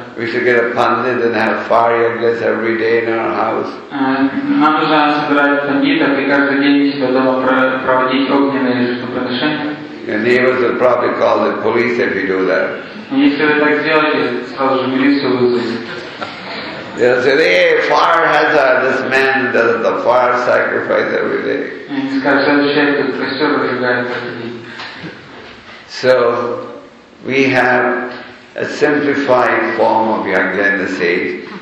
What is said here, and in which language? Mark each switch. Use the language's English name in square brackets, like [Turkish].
[English] We should get a pandit and have fire yajnas every day in our house. [Russian] Нам нужно собирать пандитов и каждый день себя дома проводить огненные жертвоприношения. [English] Your neighbors will probably call the police if you do that. [Russian] Если вы так сделаете, сразу же милицию вызовите. [English] They'll say, hey, fire hazard, this man does the fire sacrifice every day. [Russian] Они скажут, следующий этот костер выжигает. [English] So, we have a simplified form of yajna in this age.